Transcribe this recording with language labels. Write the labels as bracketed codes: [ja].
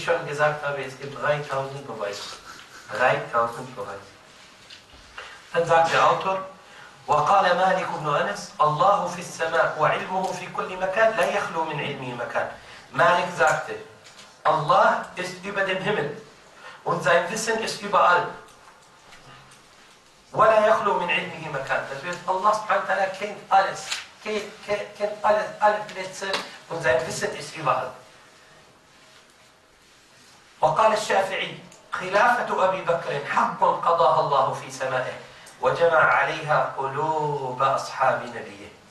[de] Wie ich schon gesagt habe, es gibt 3000 Beweise. 3000 Beweise. Dann sagt der Autor, [ar] وَقَالَ مَالِكُ بْنُ أَنَسْ اللَّهُ فِي السَّمَاءِ وَعِلْمُهُ فِي كُلِّ مَكَانٍ لَا يَخْلُو مِنْ عِلْمِهِ مَكَانٍ. [de] Malik sagte, Allah ist über dem Himmel. Und sein Wissen ist überall. [ar] ولا يخلو من علمه مكان. [de] Das heißt, Allah subhanahu wa ta'ala kennt alles. Kennt alles, alle Plätze und sein Wissen ist überall. [ar] وقال الشافعي خلافة أبي بكر حق قضاها الله في سمائه وجمع عليها قلوب أصحاب نبيه.